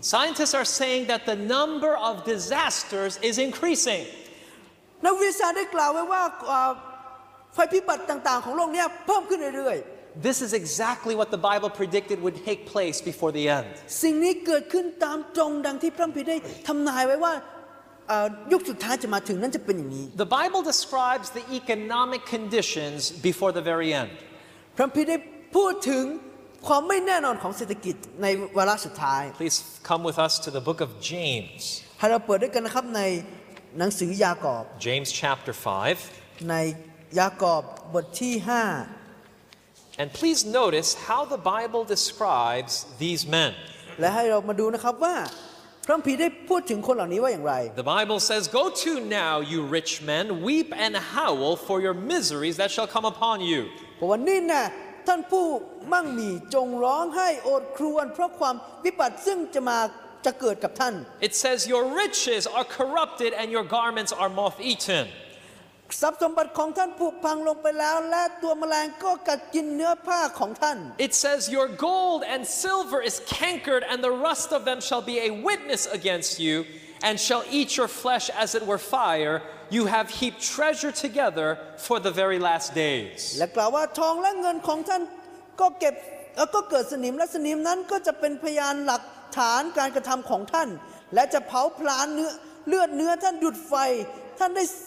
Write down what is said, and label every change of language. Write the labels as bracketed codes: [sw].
[en] Scientists are saying that the number of disasters is increasing. [th] นักวิทยาศาสตร์ได้กล่าวไว้ว่าภัยพิบัติต่างๆของโลกเนี่ยเพิ่มขึ้นเรื่อย [en] ๆ This is exactly what the Bible predicted would take place before the end. [th] สิ่งนี้เกิดขึ้นตามตรงดังที่พระคัมภีร์ได้ทํานายไว้ว่ายุคสุดท้ายจะมาถึงนั้นจะเป็นอย่างนี้ [en] The Bible describes the economic conditions before the very end. [th] พระคัมภีร์ได้พูดถึงความไม่แน่นอนของเศรษฐกิจในวาระสุดท้าย [en] Please come with us to the book of James [th] ให้เราเปิดด้วยกันนะครับในหนังสือยากอบ [en] James chapter 5 [th] ในยากอบบทที่5 [en] And please notice how the Bible describes these men [th] และให้เรามาดูนะครับว่า [en] The Bible says, go to now, you rich men, weep and howl for your miseries that shall come upon you. It says, your riches are corrupted and your garments are moth-eaten. [th] ทรัพย์สมบัติของท่านผุพังลงไปแล้วและตัวแมลงก็กัดกินเนื้อผ้าของท่าน [en] It says your gold and silver is cankered and the rust of them shall be a witness against you and shall eat your flesh as it were fire you have heaped treasure together for the very last days [th] และกล่าวว่าทองและเงินของท่านก็เก็บแล้วก็เกิดสนิมและสนิมนั้นก็จะเป็นพยานหลักฐานการกระทําของท่านและจะเผาผลาญเนื้อเลือดเนื้อท่านดุจไฟท่านได้